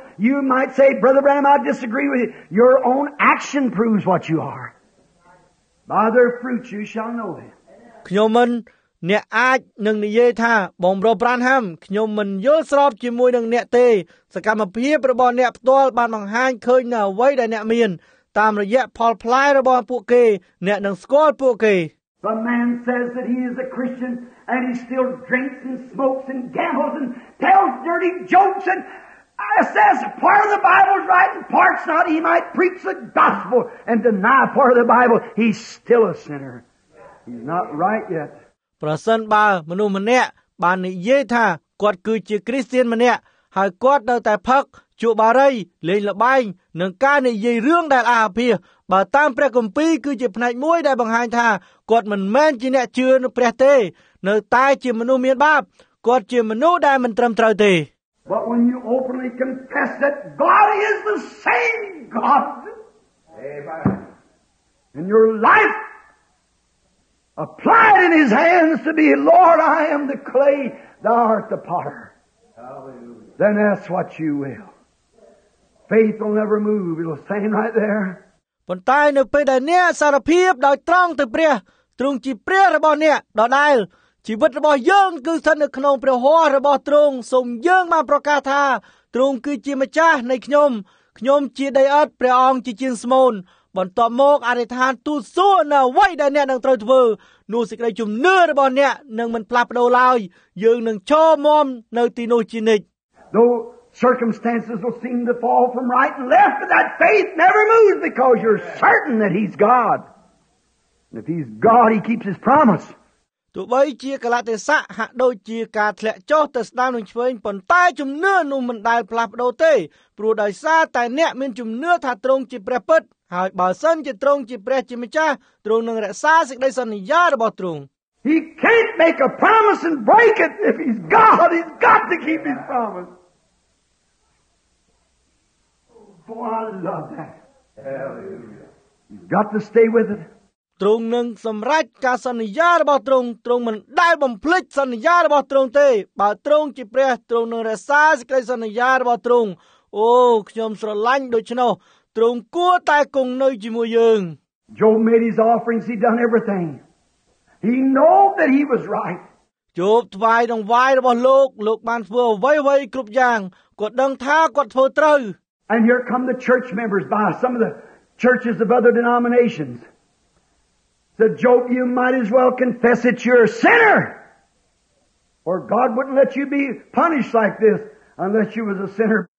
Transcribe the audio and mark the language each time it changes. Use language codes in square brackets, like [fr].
[en] You might say, Brother Branham, I disagree with you. Your own action proves what you are. By their fruits you shall know them. [km] ខ្ញុំមិនអ្នកអាចនឹងនិយាយថាបងប្រុសប្រានហាំខ្ញុំមិនយល់ស្របជាមួយនឹងអ្នកទេសកម្មភាពរបស់អ្នកផ្ទាល់បានបង្ហាញឃើញនូវអ្វីដែលអ្នកមានតាមរយៈផលផ្លែរបស់ពួកគេអ្នកនឹងស្គាល់ពួកគេ [en] The man says that he is a Christian and he still drinks and smokes and gambles and tells dirty jokes andIt says part of the Bible is right and part's not. He might preach the gospel and deny part of the Bible. He's still a sinner. He's not right yet. [km] ប្រសិនបើមនុស្សម្នាក់បាននិយាយថាគាត់គឺជាគ្រីស្ទៀនម្នាក់ហើយគាត់នៅតែផឹកជក់បារីលេងល្បែងនឹងការនិយាយរឿងដែលអាភាសបើតាមព្រះគម្ពីរគឺជាផ្នែកមួយដែលបង្ហាញថាគាត់មិនមែនជាអ្នកជឿនឹងព្រះទេនៅតែជាមនុស្សមានបាបគាត់ជាមនុស្សដែលមិនត្រឹមត្រូវទេ [en] But when you openly confess that God is the same God, Amen. In your life, apply it in His hands to be, Lord, I am the clay, thou art the potter. Hallelujah. Then ask what you will. Faith will never move. It'll stand right there. [km] ប៉ុន្តែនៅពេលដែលអ្នកសារភាពដោយត្រង់ទៅព្រះទ្រង់ជាព្រះរបស់អ្នកដដែលជីវិតរបស់យើងគឺស្ថិតនៅក្នុងព្រះហស្ថរបស់ទ្រង់សូមយើងបានប្រកាសថាទ្រង់គឺជាម្ចាស់នៃខ្ញុំជាដីអត់ព្រះអង្គជាជាងស្មូនបន្ទាប់មកអធិដ្ឋានទូលសួរនៅអ្វីដែលអ្នកនឹងត្រូវធ្វើនោះសេចក្តីជំនឿរបស់អ្នកនឹងមិនផ្លាស់ប្ដូរឡើយយើងនឹងឈរមាំនៅទីនោះជានិច្ច [en] Though circumstances will seem to fall from right and left but that faith never moves because you're certain that he's God and if he's God he keeps his promise [km] ទោះបីជាកលតិស័កហាក់ដូចជាការធ្លាក់ចុះទៅស្ដាមនឹងឆ្វេងប៉ុន្តែជំនឿនោះមិនដែលផ្លាស់ប្ដូរទេព្រោះដោយសារតែអ្នកមានជំនឿថាទ្រង់ជាព្រះពិតហើយបើសិនជាទ្រង់ជាព្រះជាម្ចាស់ទ្រង់នឹងរក្សាសេចក្តីសន្យារបស់ទ្រង់ [en] He He can't make a promise and break it. If he's God, he's got to keep his promise. Oh, I love that. Hallelujah. You've got to stay with it. [km] ទ្រង់នឹងសម្រេចការសន្យារបស់ទ្រង់ទ្រង់មិនដែលបំភ្លេចសន្យារបស់ទ្រង់ទេបើទ្រង់ជាព្រះទ្រង់នឹងរក្សាសេចក្តីសន្យារបស់ទ្រង់អូខ្ញុំស្រឡាញ់ដូច្នោះទ្រង់គួរតែគង់នៅជាមួយយើង [en] Job made his offerings, he done everything. He knew that he was right. [km] Job ថ្វាយដង្វាយរបស់លោកលោកបានធ្វើអ្វីៗគ្រប់យ៉ាងគាត់ដឹងថាគាត់ធ្វើត្រូវ [en] And here come the church members by some of the churches of other denominations. Said, Job, you might as well confess that you're a sinner. Or God wouldn't let you be punished like this unless you was a sinner.